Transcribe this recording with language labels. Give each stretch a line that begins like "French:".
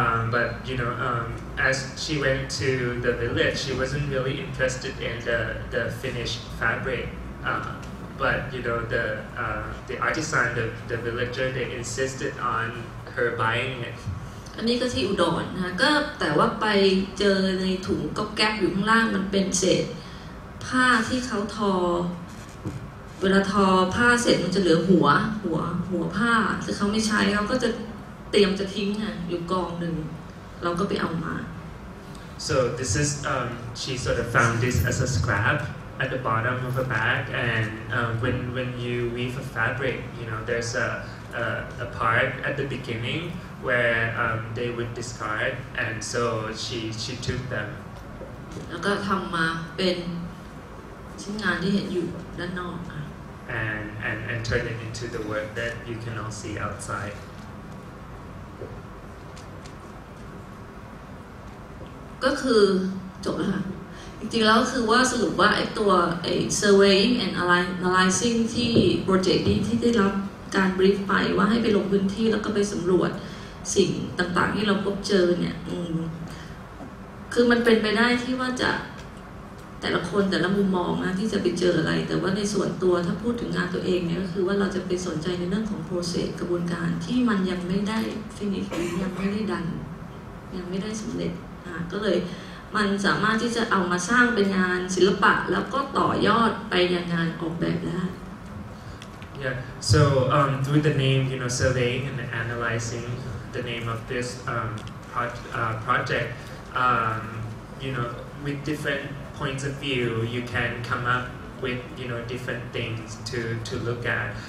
English: But you know, as she went to the village, she wasn't really interested in the finished fabric. But you know, the artisan, the villager, they insisted on her buying it.
Thai: อันนี้ก็ที่อุดรนะก็แต่ว่าไปเจอในถุงก๊อกแก๊กอยู่ข้างล่างมันเป็นเศษผ้าที่เขาทอเวลาทอผ้าเสร็จมันจะเหลือหัวผ้าที่เขาไม่ใช้เขาก็จะเตรียมจะทิ้งอ่ะอยู่กองหนึ่งเราก็ไปเอามา
English: so this is she sort of found this as a scrap at the bottom of a bag and when you weave a fabric you know there's a part at the beginningwhere they would discard and so she took them
Thai: แล้วก็ทำมาเป็นชิ้นงานที่เห็นอยู่ด้านนอกอ่ะ
English: and turn it into the work that you can all see outside
Thai: ก็คือจบแล้วค่ะจริงๆแล้วคือว่าสรุปว่าไอ้ตัวไอ้ surveying and analyzing ที่โปรเจกต์นี้ที่ได้รับการ brief ไปว่าให้ไปลงพื้นที่แล้วก็ไปสำรวจสิ่งต่างๆที่เราพบเจอเนี่ย คือมันเป็นไปได้ที่ว่าจะแต่ละคนแต่ละมุมมองนะที่จะไปเจออะไรแต่ว่าในส่วนตัวถ้าพูดถึงงานตัวเองเนี่ยก็คือว่าเราจะไปสนใจในเรื่องของ process กระบวนการที่มันยังไม่ได้ finish ยังไม่ได้ดันยังไม่ได้สำเร็จก็เลยมันสามารถที่จะเอามาสร้างเป็นงานศิลปะแล้วก็ต่อยอดไปยังงานออกแบบได้
English: Yeah, so through the name, you know, surveying and analyzing the name of this project, you know, with different points of view, you can come up with, you know, different things to look at.